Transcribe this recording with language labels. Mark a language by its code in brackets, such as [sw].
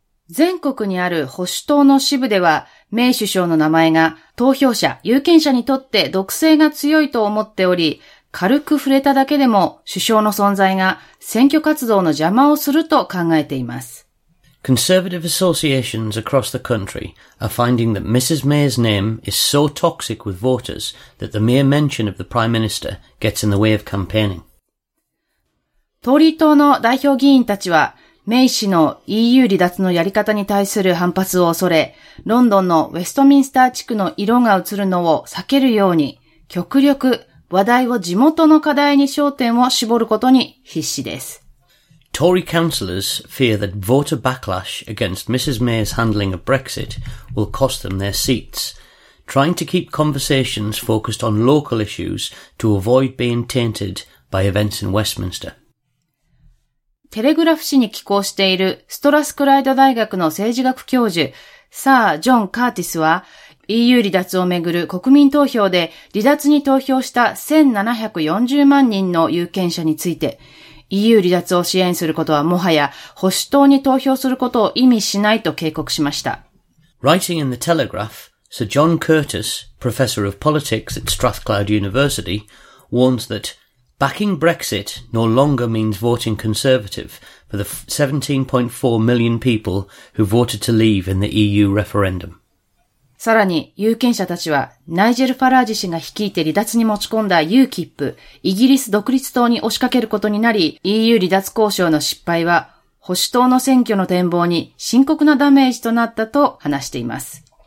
[ja] 全国にある保守党の支部では、メイ首相の名前が投票者、有権者にとって毒性が強いと思っており、軽く触れただけでも首相の存在が選挙活動の邪魔をすると考えています。 [en] Conservative associations across the country are finding that Mrs. May's name is so toxic with voters that the mere mention of the Prime Minister gets in the way of campaigning. [ja] トリ党の代表議員たちは、メイ氏の EU 離脱のやり方に対する反発を恐れ、ロンドンのウェストミンスター地区の色が映るのを避けるように、極力話題を地元の課題に焦点を絞ることに必死です。 [en] Tory councillors fear that voter backlash against Mrs. May's handling of Brexit will cost them their seats, trying to keep conversations focused on local issues to avoid being tainted by events in Westminster. [ja] テレグラフ紙に寄稿しているストラスクライド大学の政治学教授、サー・ジョン・カーティスは、EU 離脱をめぐる国民投票で離脱に投票した1740万人の有権者について、EU 離脱を支援することはもはや保守党に投票することを意味しないと警告しました。 [en] Writing in the Telegraph, Sir John Curtis, Professor of Politics at Strathclyde University, warns that backing Brexit no longer means voting conservative for the 17.4 million people who voted to leave in the EU referendum. [ja] さらに有権者たちはナイジェル・ファラージ氏が率いて離脱に持ち込んだ UKIP、イギリス独立党に押しかけることになり、EU 離脱交渉の失敗は保守党の選挙の展望に深刻なダメージとなったと話しています。